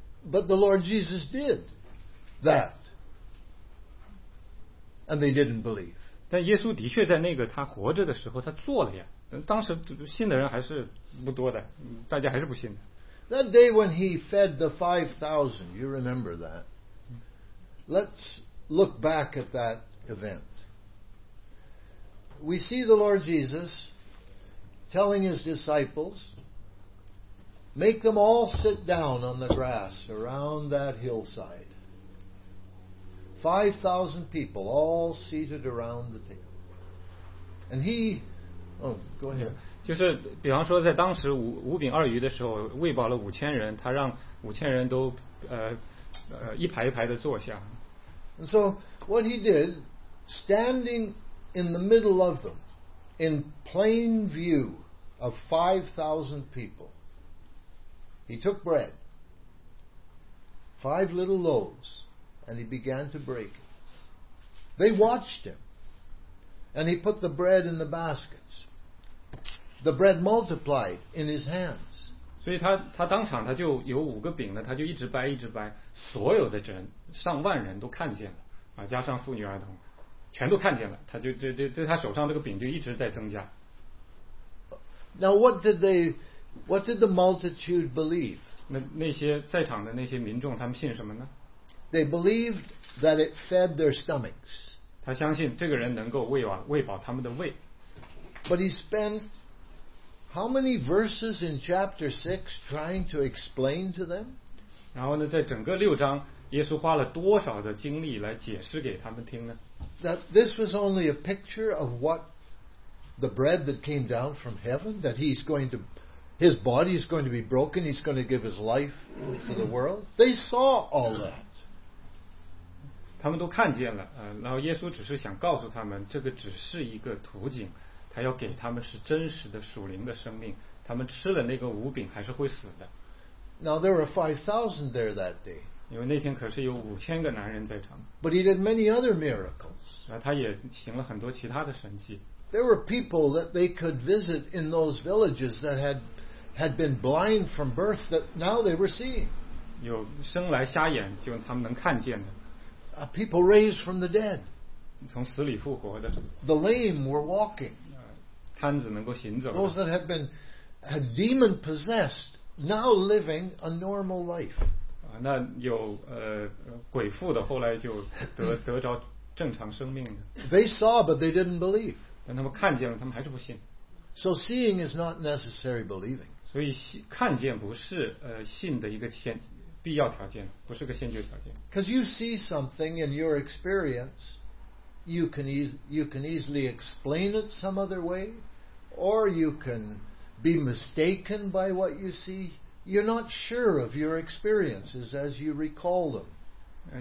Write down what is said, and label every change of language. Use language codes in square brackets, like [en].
[en] But the Lord Jesus did that and they didn't believe. [zh] 但耶稣的确在那个他活着的时候他做了呀，当时信的人还是不多的，大家还是不信的。 [en] That day when he fed the 5,000, you remember that. Let's look back at that event. We see the Lord Jesus telling his disciples, make them all sit down on the grass around that hillside. 5,000 people all seated around the table. And he, go ahead. [zh] 就是比方说在当时五饼二鱼的时候喂饱了五千人，他让五千人都一排一排的坐下。 [en] And so what he did, standing in the middle of them, in plain view of 5,000 people, he took bread, five little loaves, and he began to break it. They watched him, and he put the bread in the baskets. The bread multiplied in his hands. [zh] 所以他当场他就有五个饼了，他就一直掰一直掰，所有的人上万人都看见了，加上妇女儿童，全都看见了，他就对他手上这个饼就一直在增加。 [en] Now what did the multitude believe? [zh] 那些在场的那些民众他们信什么呢？ [en] They believed that it fed their stomachs. [zh] 他相信这个人能够喂饱他们的胃。 [en] But he spent how many verses in chapter 6 trying to explain to them? [zh] 然后呢在整个六章耶稣花了多少的精力来解释给他们听呢？ [en] That this was only a picture of what the bread that came down from heaven, that he's going to, his body is going to be broken, he's going to give his life for the world. They saw all that. [zh] 他们都看见了，然后耶稣只是想告诉他们，这个只是一个图景，他要给他们是真实的属灵的生命，他们吃了那个五饼还是会死的。 [en] Now there were 5,000 there that day. [zh] 因为那天可是有五千个男人在场。 [en] But he did many other miracles. [zh] 他也行了很多其他的神迹。 [en] There were people that they could visit in those villages that had been blind from birth that now they were seeing. [zh] 有生来瞎眼，就他们能看见的。 [en] People raised from the dead. [zh] 从死里复活的。 [en] The lame were walking. [zh] 瘫子能够行走。 [en] Those that had demon possessed now living a normal life. [zh] 那有鬼附的后来就得着正常生命的。 [en] They saw, but they didn't believe. [zh] 但他们看见了，他们还是不信。 [en] So seeing is not necessary believing. [zh] 所以看见不是信的一个必要条件，不是个先决条件。 [en] Because you see something in your experience, you can easily explain it some other way, or you can be mistaken by what you see. You're not sure of your experiences as you recall them.